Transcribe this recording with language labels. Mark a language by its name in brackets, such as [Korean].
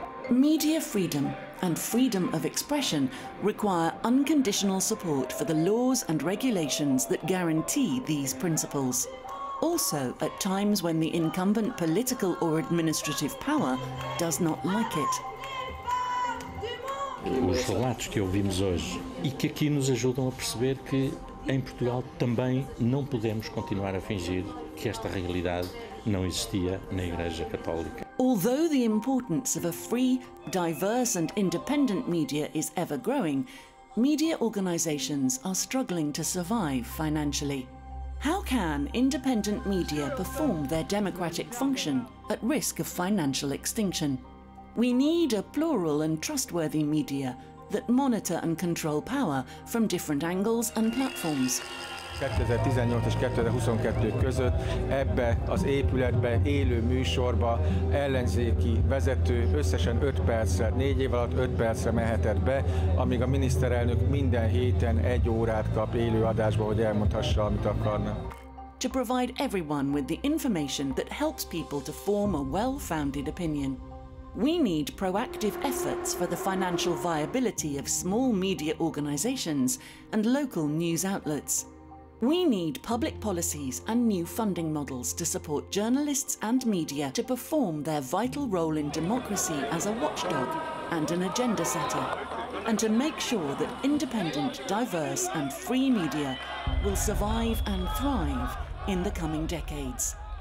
[English] Media freedom, and freedom of expression require unconditional support for the laws and regulations that guarantee these principles. Also, at times when the incumbent political or administrative power does not like it. [Portuguese] Os relatos que ouvimos hoje e que aqui nos ajudam a perceber que em Portugal também não podemos continuar a fingir que esta realidade não existia na Igreja Católica. [English] Although the importance of a free, diverse and independent media is ever growing, media organizations are struggling to survive financially. How can independent media perform their democratic function at risk of financial extinction? We need a plural and trustworthy media that monitor and control power from different angles and platforms. [Hungarian] 2018 és 2022 között ebbe az épületbe élő műsorba ellenzéki vezető összesen 5 percre, 4 év alatt 5 percre mehetett be, amíg a miniszterelnök minden héten 1 órát kap élő adásba, hogy elmondhassa, amit akarna. [English] To provide everyone with the information that helps people to form a well-founded opinion. We need proactive efforts for the financial viability of small media organizations and local news outlets. We need public policies and new funding models to support journalists and media to perform their vital role in democracy as a watchdog and an agenda setter, and to make sure that independent, diverse and free media will survive and thrive in the coming decades.